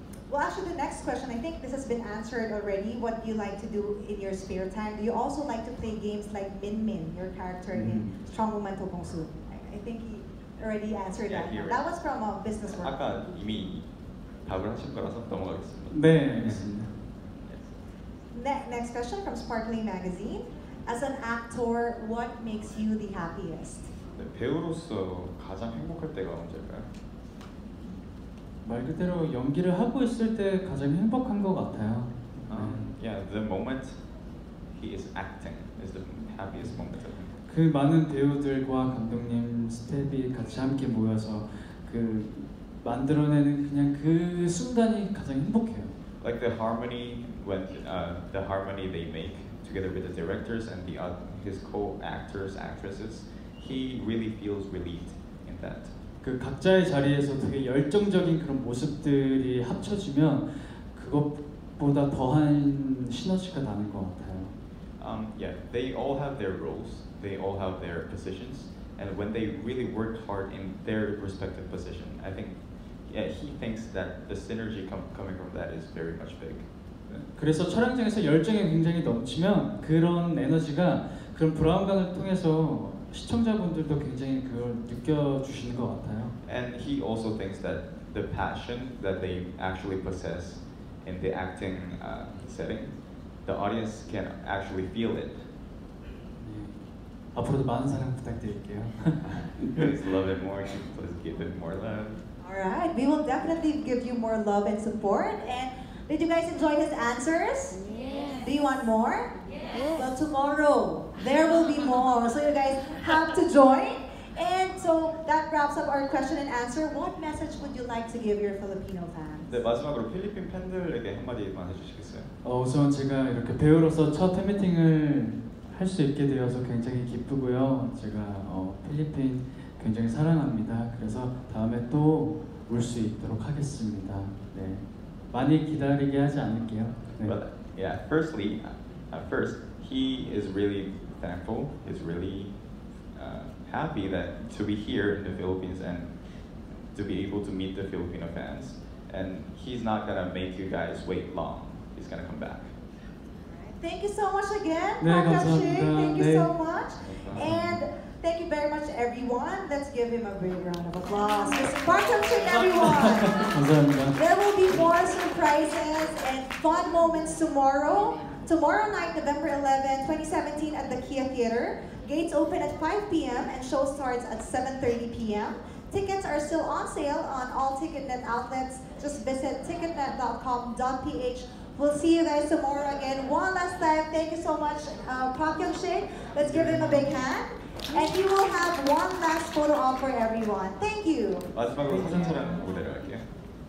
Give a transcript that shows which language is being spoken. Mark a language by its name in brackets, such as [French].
[English] Well, actually, the next question, I think this has been answered already. What do you like to do in your spare time? Do you also like to play games like Min Min, your character in Strong Woman to Gongsu? I think he already answered that. Yeah, that was from a business world. [Korean] 아까 이미 답을 하신 거라서 넘어가겠습니다. 네, 알겠습니다. [English] Next question from Sparkly Magazine. As an actor, what makes you the happiest? [Korean] 네, 배우로서 가장 행복할 때가 언제일까요? 말 그대로 연기를 하고 있을 때 가장 행복한 것 같아요. [English] Yeah, the moment he is acting is the happiest moment. [Korean] 그 많은 배우들과 감독님, 스태프이 같이 함께 모여서 그 만들어내는 그냥 그 순간이 가장 행복해요. [English] Like the harmony when the harmony they make together with the directors and the his co-actors, actresses, he really feels relieved in that. [Korean] 그 각자의 자리에서 되게 열정적인 그런 모습들이 합쳐지면 그것보다 더한 시너지가 나는 것 같아요. [English] Yeah, they all have their roles. They all have their positions. And when they really work hard in their respective position, I think yeah, he thinks that the synergy coming from that is very much big. [Korean] 그래서 촬영장에서 열정이 굉장히 넘치면 그런 에너지가 그런 브라운관을 통해서 시청자분들도 굉장히 그걸 느껴주시는 것 같아요. [English] And he also thinks that the passion that they actually possess in the acting setting, the audience can actually feel it. [Korean] 네. 앞으로도 많은 사랑 부탁드릴게요. [English] Please love it more. Please give it more love. All right, we will definitely give you more love and support. And did you guys enjoy his answers? Yes. Do you want more? Yes. Well, tomorrow there will be more, so you guys have to join. And so that wraps up our question and answer. What message would you like to give your Filipino fans? [Korean] 네, 마지막으로 필리핀 팬들에게 한마디만 해주시겠어요? 우선 제가 이렇게 배우로서 첫 팬미팅을 할 수 있게 되어서 굉장히 기쁘고요. 제가 필리핀 굉장히 사랑합니다. 그래서 다음에 또 올 수 있도록 하겠습니다. 네, 많이 기다리게 하지 않을게요. 네. [English] But, yeah, firstly. At first, he is really thankful, he's really happy that to be here in the Philippines and to be able to meet the Filipino fans. And he's not gonna make you guys wait long. He's gonna come back. Thank you so much again, [Korean] Pakashi. 네, [English] thank you so much. And thank you very much, everyone. Let's give him a big round of applause. Pakashi, everyone. There will be more surprises and fun moments tomorrow. Tomorrow night, November 11, 2017 at the Kia Theater. Gates open at 5 p.m. and show starts at 7:30 p.m. Tickets are still on sale on all Ticketnet outlets. Just visit ticketnet.com.ph. We'll see you guys tomorrow again. One last time, thank you so much, Park Hyung-sik. Let's give him a big hand. And you will have one last photo op for everyone. Thank you. [Korean] 마지막으로 사진 촬영 무대를 할게요.